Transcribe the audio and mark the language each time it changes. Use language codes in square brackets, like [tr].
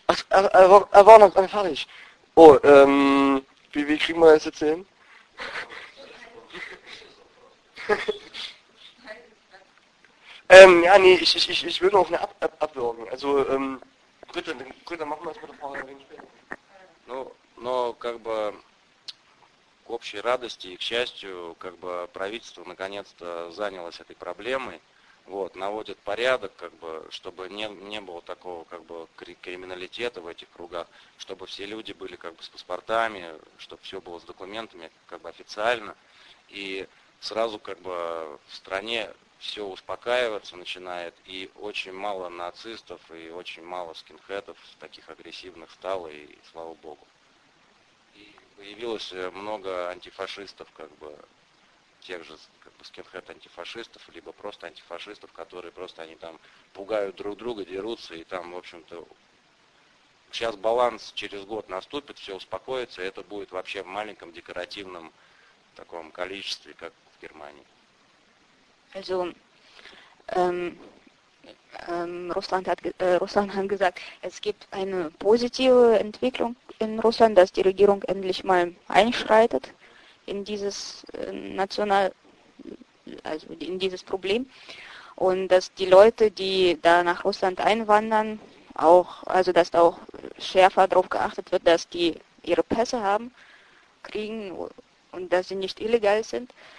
[de] Er war noch fertig. Oh, wie kriegen wir das jetzt hin? ja, nee, ich will noch eine abwürgen. Also, gut, dann machen wir es mit der Frage später. [ru] Но как бы к общей радости и к счастью, как бы правительство наконец-то занялось этой проблемой, вот, наводит порядок, как бы, чтобы не было такого как бы криминалитета в этих кругах, чтобы все люди были как бы с паспортами, чтобы все было с документами, как бы официально, и сразу как бы в стране все успокаиваться начинает, и очень мало нацистов, и очень мало скинхедов таких агрессивных стало, и слава богу. Появилось много антифашистов, как бы, тех же, как бы, скинхед-антифашистов, либо просто антифашистов, которые просто, они там пугают друг друга, дерутся, и там, в общем-то, сейчас баланс через год наступит, все успокоится, и это будет вообще в маленьком декоративном таком количестве, как в Германии. [de] Also, Руслан hat gesagt, es gibt eine positive Entwicklung in Russland, dass die Regierung endlich mal einschreitet in dieses national, also in dieses Problem, und dass die Leute, die da nach Russland einwandern, auch, also dass da auch schärfer darauf geachtet wird, dass die ihre Pässe haben, kriegen und dass sie nicht illegal sind,